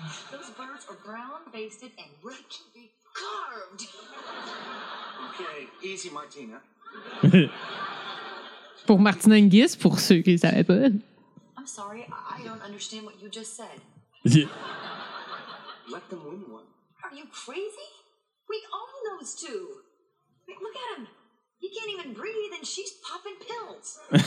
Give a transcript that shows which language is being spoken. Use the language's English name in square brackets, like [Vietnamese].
[English] Those birds are brown, basted, and ready to be carved. Okay, easy, Martina. [French] Pour Martina Hingis, pour ceux qui ne savaient pas. [English] I'm sorry, I don't understand what you just said. Let them win one. Are you crazy? We own those two. Look at him. He can't even breathe, and she's popping pills.